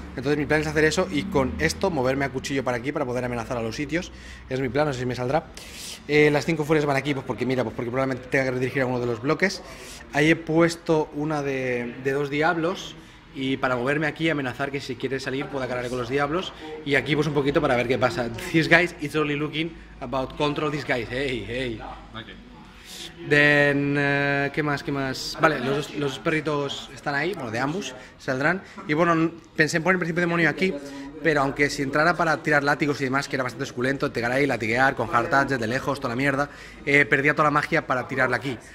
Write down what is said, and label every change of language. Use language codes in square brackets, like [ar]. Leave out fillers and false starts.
[es] Entonces mi plan es hacer eso y con esto moverme a cuchillo para aquí para poder amenazar a los sitios. Es mi plan, no sé si me saldrá. Las cinco furias van aquí, pues porque mira, pues porque probablemente tenga que redirigir a uno de los bloques. Ahí he puesto una de dos diablos y para moverme aquí amenazar que si quiere salir pueda cargar con los diablos. Y aquí pues un poquito para ver qué pasa. [en] These guys, it's only looking about control these guys. Hey, hey. Then, [es] ¿qué más? Vale, los perritos están ahí, bueno, de ambos, saldrán. Y bueno, pensé en poner el príncipe demonio aquí, pero aunque si entrara para tirar látigos y demás, que era bastante suculento, pegar ahí, latiguear, con hard touch, desde lejos, toda la mierda, perdía toda la magia para tirarla aquí.